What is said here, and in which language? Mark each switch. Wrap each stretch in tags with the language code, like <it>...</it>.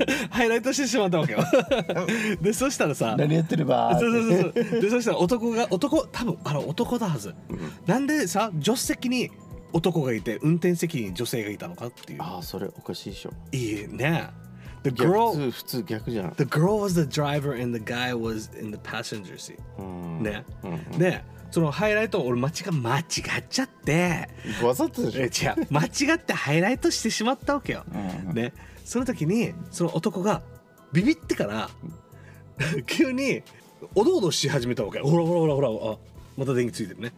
<ja>ハイライトしてしまったわけよ。で、そしたらさ、何やってるばー。 そう。で、そしたら男だはず。なんでさ助手席に男がいて運転席に女性がいたのかっていうああそれおかしいでしょいいね the girl, 普通逆じゃん</ja> <en>The girl was the driver and the guy was in the passenger seat</en> <ja>うんね、うん、でそのハイライトを俺間違っちゃってわざとでしょ、間違ってハイライトしてしまったわけよ、うんうん、でその時にその男がビビってから急におどおどし始めたわけ。ほらほらほらほら、あ、また電気ついてるね、</ja>